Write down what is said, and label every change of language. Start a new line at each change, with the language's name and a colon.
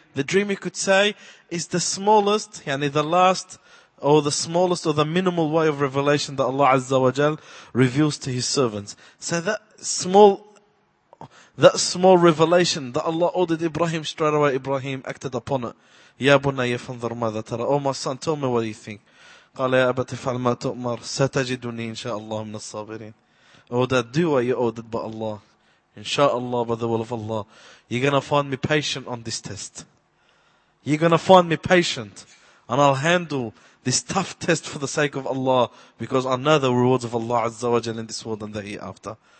English: The dream, you could say, is the smallest, yani the last, or the smallest, or the minimal way of revelation that Allah Azza wa Jal reveals to His servants. So that small revelation that Allah ordered Ibrahim, straight away Ibrahim acted upon it.
Arabic: Ya bunayya fanzur madha tara.
English: Oh my son, tell me what you think.
Arabic: قال يا أبت فعل ما تؤمر ستجدني إن شاء الله من الصابرين.
English: Oh dad, do what you ordered by Allah. Inshallah, by the will of Allah, you're going to find me patient on this test. You're going to find me patient. And I'll handle this tough test for the sake of Allah, because I know the rewards of Allah Azza wa Jal in this world and the hereafter.